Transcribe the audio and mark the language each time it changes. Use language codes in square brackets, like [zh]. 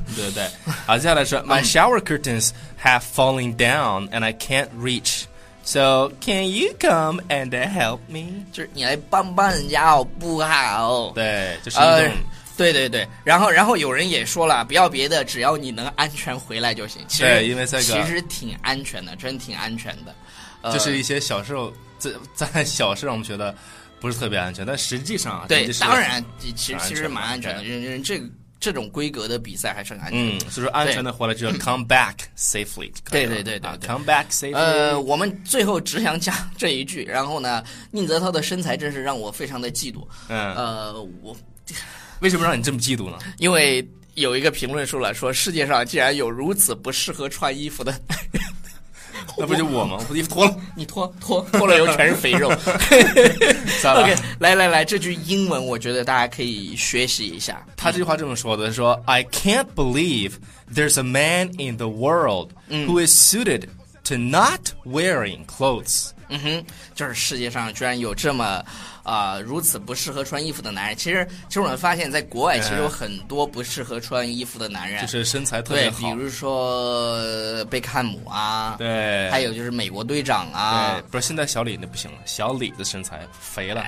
[zh] 对对，好，接下来是 [en] my shower curtains have fallen down and I can't reach， so can you come and help me， [zh] 就是你来帮帮人家好不好，对，就是一种对对对，然后有人也说了，不要别的，只要你能安全回来就行。其实对，因为这个其实挺安全的，真挺安全的。就是一些小时候在小时候我们觉得不是特别安全，但实际上、对、就是、当然其实蛮安全的，这种规格的比赛还是很安全的。所以说安全的回来就要 [en] come back safely。 [zh] 对对对 对, 对、 come back safely。我们最后只想讲这一句，然后呢，宁泽涛的身材真是让我非常的嫉妒。我。为什么让你这么嫉妒呢？因为有一个评论说了，说世界上竟然有如此不适合穿衣服的男人，那不就我吗？我衣服脱了，你脱了以后全是肥肉。 OK， 来来来，这句英文我觉得大家可以学习一下。他这句话这么说的，说 [en] I can't believe there's a man in the world who is suited to not wearing clothes。 [zh] 嗯哼，就是世界上居然有这么，如此不适合穿衣服的男人。其实我们发现，在国外其实有很多不适合穿衣服的男人，就是身材特别好。对，比如说贝克汉姆啊，对，还有就是美国队长啊。对，不是现在小李那不行了，小李的身材肥了。